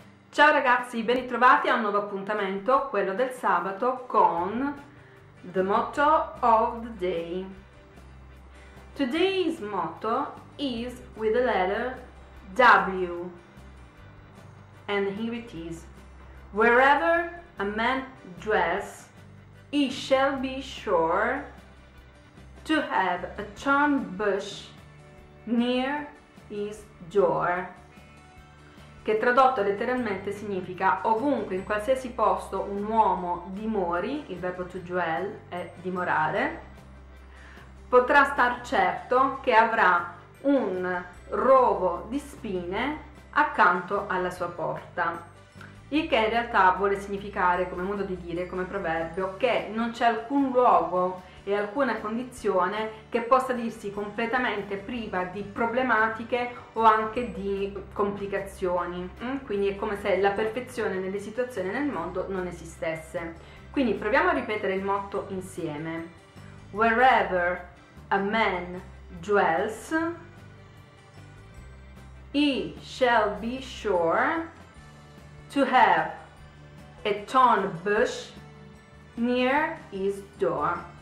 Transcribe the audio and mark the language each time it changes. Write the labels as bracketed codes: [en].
[it] Ciao ragazzi, ben ritrovati a un nuovo appuntamento, quello del sabato, con The Motto of the Day. [en] Today's motto is with the letter W. And here it is. Wherever a man dwells, he shall be sure to have a thorn bush near his door. [it] Che tradotto letteralmente significa ovunque, in qualsiasi posto, un uomo dimori, il verbo to dwell è dimorare, potrà star certo che avrà un rovo di spine accanto alla sua porta. Il che in realtà vuole significare, come modo di dire, come proverbio, che non c'è alcun luogo e alcuna condizione che possa dirsi completamente priva di problematiche o anche di complicazioni. Quindi è come se la perfezione nelle situazioni nel mondo non esistesse. Quindi proviamo a ripetere il motto insieme. [en] Wherever a man dwells, he shall be sure to have a thorn bush near his door.